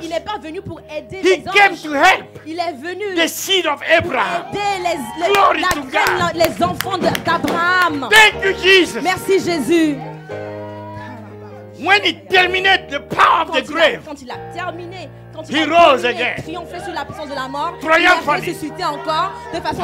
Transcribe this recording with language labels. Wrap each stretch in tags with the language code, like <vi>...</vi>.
<fr>Il est pas venu pour aider</fr> <en>he</en> <fr>les anges.</fr> <en>Came to help</en> <fr>il est venu</fr> <en>the seed of Abraham.</en> <fr>Les,</fr> <en>glory</en> <fr>la</fr> <en>to God.</en> <fr>Les enfants de, d'Abraham.</fr> <en>Thank you, Jesus.</en> <fr>Merci, Jésus.</fr> <en>When he terminated the power of</en> <fr>quand</fr> <en>the grave,</en> <fr>quand il a terminé, quand</fr> <en>he</en> <fr>il a</fr> <en>rose</en> <fr>terminé,</fr> <en>again.</en> <fr>Triomphé sur la puissance de la mort.</fr> <en>Triumphant.</en> <fr>Il a ressuscité encore de façon</fr>